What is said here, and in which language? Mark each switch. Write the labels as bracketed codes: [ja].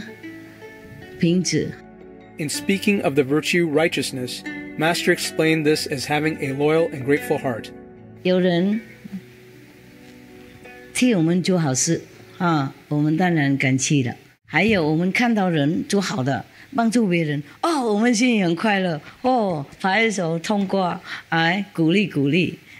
[zh] 要外交好，要对人民好，你看，一个字而已，仁啊，就孔子教我们好多好多，一个好的国家就可以影响很多国家，那仁慈是真正的最重要的一个品质。In [en] speaking of the virtue righteousness, Master explained this as having a loyal and grateful heart. [zh] 有人 替我们做好事，我们当然感激了。还有我们看到人做好的，帮助别人，我们心里很快乐，拍手通过，鼓励鼓励。